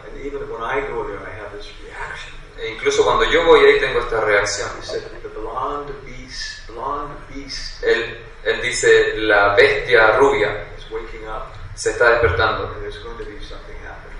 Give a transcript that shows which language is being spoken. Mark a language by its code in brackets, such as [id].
[en] And even when I go there, I have this reaction. [es] E incluso cuando yo voy ahí tengo esta reacción. [en] He said, the blonde beast. [es] Él dice, la bestia rubia [en] is waking up. [es] Se está despertando. [en] And there's going to be something happening.